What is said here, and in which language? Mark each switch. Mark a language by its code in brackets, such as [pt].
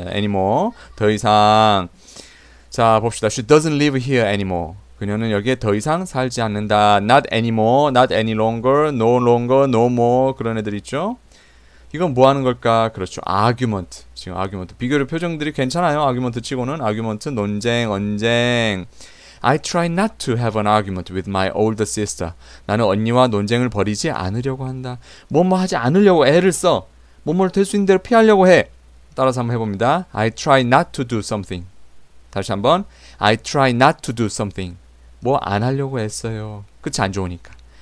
[ko] Anymore. 더 이상. 자, 봅시다. [en] She doesn't live here anymore. [ko] 그녀는 여기에 더 이상 살지 않는다. [en] Not anymore, not any longer, no longer, no more. [ko] 그런 애들 있죠? 이건 뭐 하는 걸까? 그렇죠. [en] Argument. 지금 argument. [ko] 비교를 표정들이 괜찮아요. Argument 치고는. Argument, 논쟁, 언쟁. [en] I try not to have an argument with my older sister. [ko] 나는 언니와 논쟁을 벌이지 않으려고 한다. 뭐뭐 하지 않으려고 애를 써. 뭐뭐를 될수 있는 대로 피하려고 해. 따라서 한번 해봅니다. [en] I try not to do something. [ko] 다시 한번. [en] I try not to do something. [ko] 뭐안 하려고 애써요. 끝이 안 좋으니까.